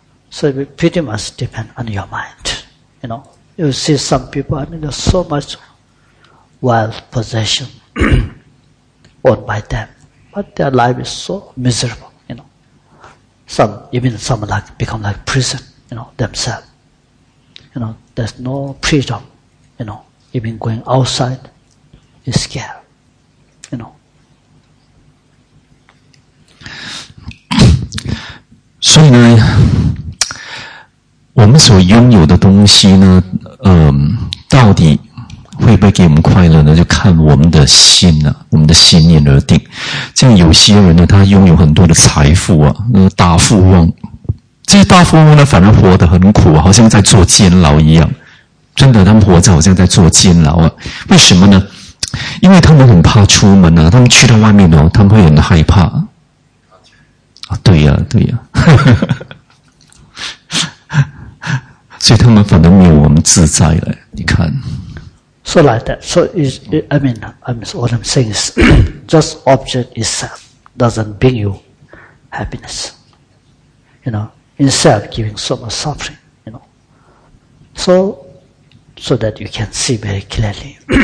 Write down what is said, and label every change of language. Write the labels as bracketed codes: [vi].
[en] So it pretty much depends on your mind, you know. You see some people, I mean, there's so much wealth, possession owned by them, but their life is so miserable, you know. Some like become like prison, you know, themselves. You know, there's no freedom, you know, even going outside is scared, you know. [zh] 所以呢，我们所拥有的东西呢，到底会不会给我们快乐呢？就看我们的心呢、我们的心念而定。像有些人呢，他拥有很多的财富啊，大富翁。这些大富翁呢，反而活得很苦，好像在坐监牢一样。真的，他们活着好像在坐监牢啊！为什么呢？因为他们很怕出门啊，他们去到外面哦，他们会很害怕。啊，对呀、对呀，所以他们反而没有我们自在了。你看 [en] ，So like that. So is I mean, what I'm saying is, just object itself doesn't bring you happiness. You know. Instead of giving so much suffering, you know. So that you can see very clearly.